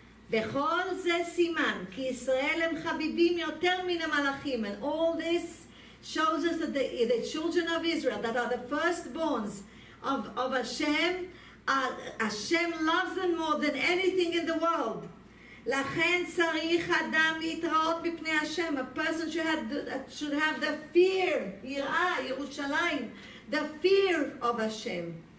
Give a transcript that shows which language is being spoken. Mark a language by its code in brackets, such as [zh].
[he] בכל זה סימן, כי ישראל הם חביבים יותר מן המלאכים. [en] And all this shows us that the children of Israel, that are the firstborns of Hashem, Hashem loves them more than anything in the world. [he] לכן צריך אדם להתראות בפני [en] Hashem, a person should have the fear, יראה, ירושלים, the fear of Hashem.